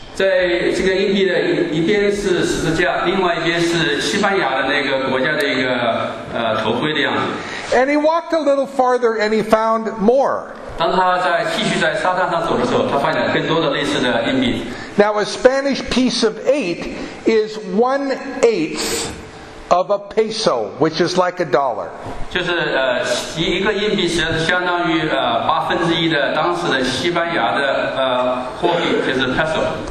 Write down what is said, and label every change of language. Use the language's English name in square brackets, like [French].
[Chinese] 在这个硬币的一边是十字架，另外一边是西班牙的那个国家的一个头盔的样子。 [English] And he walked a little farther, and he found more. [Chinese] 当他在继续在沙滩上走的时候，他发现更多的类似的硬币。 [English] Now a Spanish piece of eight is 1/8 of a peso, which is like a dollar. [Chinese] 就是一个硬币是相当于八分之一的当时的西班牙的货币，就是 peso。